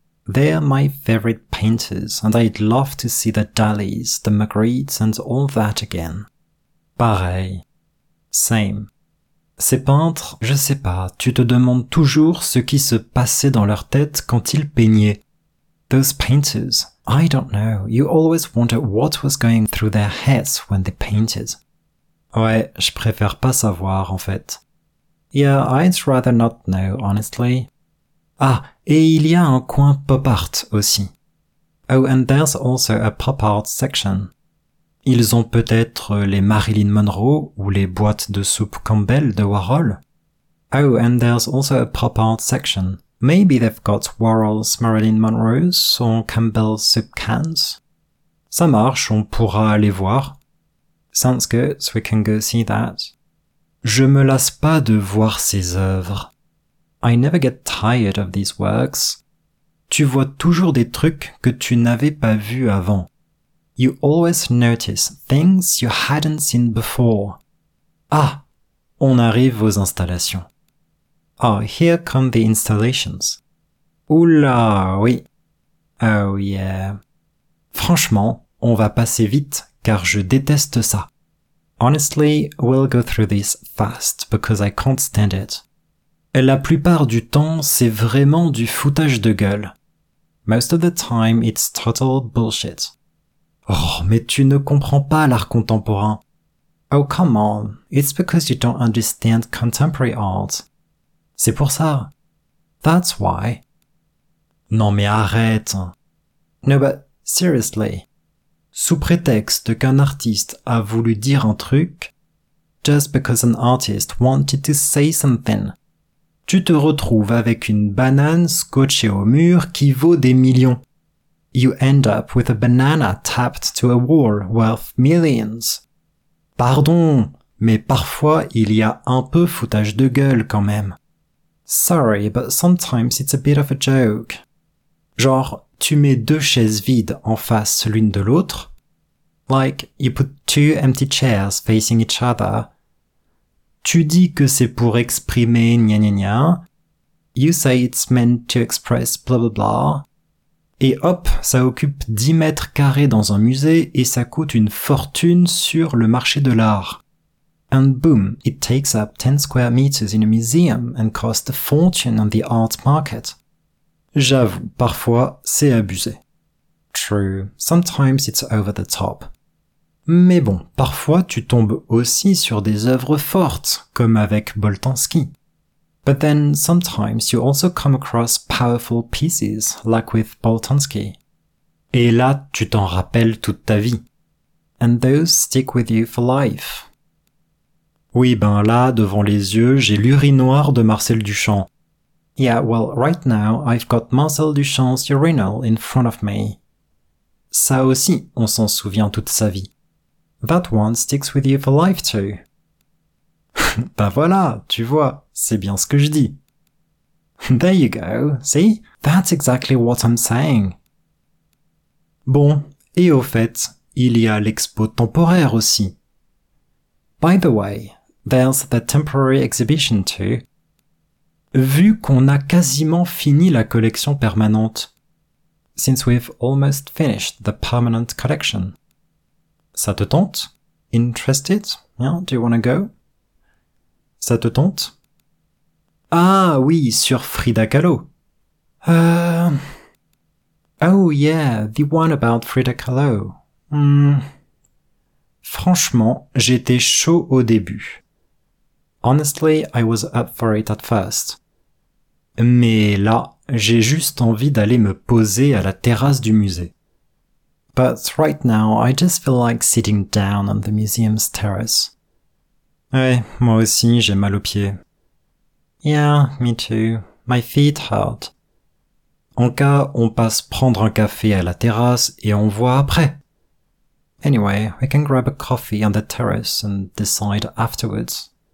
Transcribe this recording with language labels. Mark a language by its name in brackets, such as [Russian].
[English] They're my favorite painters and I'd love to see the Dalis, the Magrittes and all that again. [French] Pareil. [English] Same. [French] Ces peintres, je sais pas, tu te demandes toujours ce qui se passait dans leur tête quand ils peignaient. [English] Those painters, I don't know, you always wonder what was going through their heads when they painted. [French] Ouais, je préfère pas savoir, en fait. [English] Yeah, I'd rather not know, honestly. [French] Ah, et il y a un coin pop art aussi. [English] Oh, and there's also a pop art section. [French] Ils ont peut-être les Marilyn Monroe ou les boîtes de soupe Campbell de Warhol. [English] Oh, and there's also a pop art section. Maybe they've got Warhol's Marilyn Monroe's or Campbell's soup cans. [French] Ça marche, on pourra aller voir. [English] Sounds good, we can go see that. [French] Je me lasse pas de voir ces œuvres. [English] I never get tired of these works. [French] Tu vois toujours des trucs que tu n'avais pas vus avant. [English] You always notice things you hadn't seen before. [French] Ah, on arrive aux installations. [English] Oh, here come the installations. [French] Oula, oui. [English] Oh yeah. [French] Franchement, on va passer vite, car je déteste ça. [English] Honestly, we'll go through this fast, because I can't stand it. [French] La plupart du temps, c'est vraiment du foutage de gueule. [English] Most of the time, it's total bullshit. [French] Oh, mais tu ne comprends pas l'art contemporain. [English] Oh, come on. It's because you don't understand contemporary art. [French] C'est pour ça. [English] That's why. [French] Non mais arrête. [English] No but seriously. [French] Sous prétexte qu'un artiste a voulu dire un truc. [English] Just because an artist wanted to say something. [French] Tu te retrouves avec une banane scotchée au mur qui vaut des millions. [English] You end up with a banana taped to a wall worth millions. [French] Pardon, mais parfois il y a un peu foutage de gueule quand même. [English] Sorry, but sometimes it's a bit of a joke. [French] Genre, tu mets deux chaises vides en face l'une de l'autre. [English] Like, you put two empty chairs facing each other. [French] Tu dis que c'est pour exprimer gna gna gna. [English] You say it's meant to express blah blah blah. [French] Et hop, ça occupe 10 mètres carrés dans un musée et ça coûte une fortune sur le marché de l'art. [English] And boom, it takes up 10 square meters in a museum and costs a fortune on the art market. [French] J'avoue, parfois, c'est abusé. [English] True, sometimes it's over the top. [French] Mais bon, parfois tu tombes aussi sur des œuvres fortes, comme avec Boltanski. [English] But then sometimes you also come across powerful pieces, like with Boltanski. [French] Et là, tu t'en rappelles toute ta vie. [English] And those stick with you for life. [French] Oui, ben là, devant les yeux, j'ai l'urinoir de Marcel Duchamp. [English] Yeah, well, right now, I've got Marcel Duchamp's urinal in front of me. [French] Ça aussi, on s'en souvient toute sa vie. [English] That one sticks with you for life, too. [French] Ben voilà, tu vois, c'est bien ce que je dis. [English] There you go, see? That's exactly what I'm saying. [French] Bon, et au fait, il y a l'expo temporaire aussi. [English] By the way, there's the temporary exhibition too. [French] Vu qu'on a quasiment fini la collection permanente. [English] Since we've almost finished the permanent collection. [French] Ça te tente? [English] Interested? Yeah, do you wanna go? [French] Ça te tente? Ah oui, sur Frida Kahlo. [English] Oh yeah, the one about Frida Kahlo. [French] Franchement, j'étais chaud au début. [English] Honestly, I was up for it at first. [French] Mais là, j'ai juste envie d'aller me poser à la terrasse du musée. [English] But right now, I just feel like sitting down on the museum's terrace. [French] Ouais, moi aussi, j'ai mal aux pieds. [English] Yeah, me too. My feet hurt. [French] En cas, on passe prendre un café à la terrasse et on voit après. [English] Anyway, we can grab a coffee on the terrace and decide afterwards.